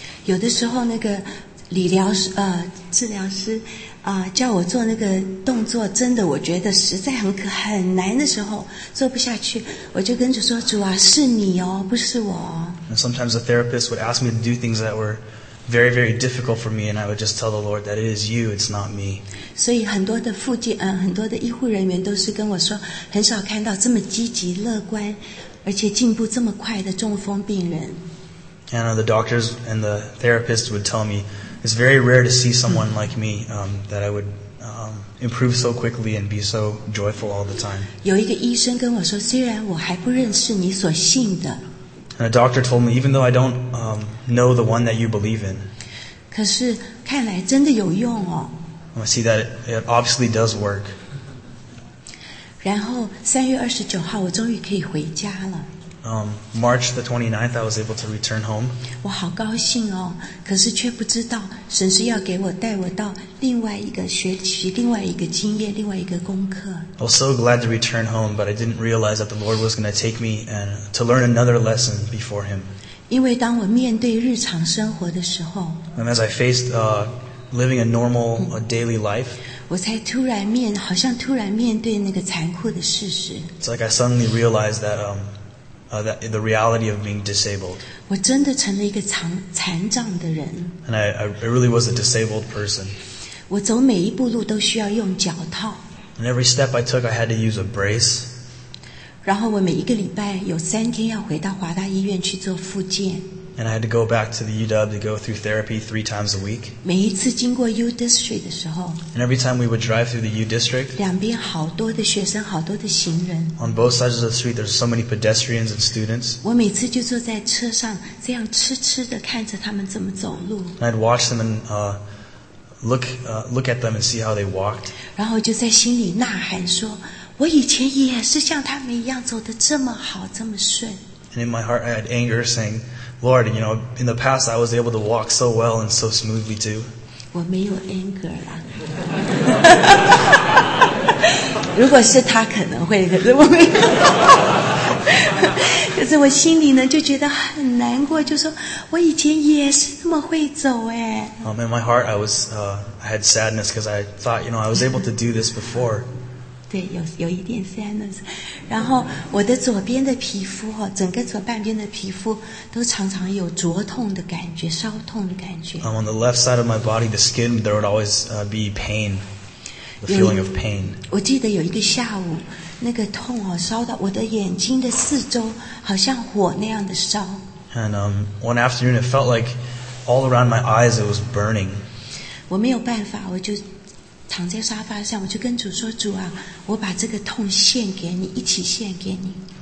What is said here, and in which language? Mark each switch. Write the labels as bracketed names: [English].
[Chinese] 有的时候那个理疗师治疗师叫我做那个动作，真的我觉得实在很难的时候，做不下去，我就跟主说，主啊，是你哦，不是我。 [English] And sometimes the therapist would ask me to do things that were very, very difficult for me, and I would just tell the Lord that it is you, it's not me. [Chinese] 所以很多的附近很多的医护人员都是跟我说，很少看到这么积极乐观而且进步这么快的中风病人。 [English] And the doctors and the therapists would tell me, it's very rare to see someone like me that I would improve so quickly and be so joyful all the time. [Chinese] 有一个医生跟我说，虽然我还不认识你所信的。 [English] And a doctor told me, even though I don't know the one that you believe in, [Chinese] 可是看来真的有用哦。 [English] I see that it obviously does work. [Chinese] 然后3月29号，我终于可以回家了。 [English] March the 29th, I was able to return home. [Chinese] 我好高兴哦，可是却不知道神是要给我带我到另外一个学习，另外一个经验，另外一个功课。 [English] I was so glad to return home, but I didn't realize that the Lord was going to take me and to learn another lesson before Him. [Chinese] 因为当我面对日常生活的时候， [English] and as I faced living a normal daily life, [Chinese] 我才突然面，好像突然面对那个残酷的事实。 [English] It's like I suddenly realized that the reality of being disabled. [Chinese] 我真的成了一个残障的人。 [English] And I really was a disabled person. [Chinese] 我走每一步路都需要用脚套。 [English] And every step I took, I had to use a brace. [Chinese] 然后我每一个礼拜有3天要回到华大医院去做复健。 [English] And I had to go back to the UW to go through therapy 3 times a week. [Chinese] 每一次经过 U District 的时候， [English] and every time we would drive through the U District, [Chinese] 两边好多的学生，好多的行人。 [English] On both sides of the street, there's so many pedestrians and students. [Chinese] 我每次就坐在车上，这样痴痴地看着他们怎么走路。 [English] And I'd watch them and look at them and see how they walked. [Chinese] 然后就在心里呐喊说，我以前也是像他们一样走得这么好，这么顺。 [English] And in my heart, I had anger saying, Lord, you know, in the past I was able to walk so well and so smoothly too. [Chinese] 我没有 anger 啦。如果是他可能会，我没有。可是我心里呢就觉得很难过，就说我以前也是那么会走哎。 [English] In my heart, I was, I had sadness because I thought, you know, I was able to do this before. [Chinese] 对，有一点 sadness. 然后我的左边的皮肤哈，整个左半边的皮肤都常常有灼痛的感觉，烧痛的感觉。 [English] On the left side of my body, the skin, there would always be pain. The feeling of pain. [Chinese] 我记得有一个下午。那个痛哦，烧到我的眼睛的四周，好像火那样的烧。 [English] And one afternoon, it felt like all around my eyes it was burning. [Chinese] 我没有办法，我就躺在沙发上，我就跟主说：“主啊，我把这个痛献给你，一起献给你。”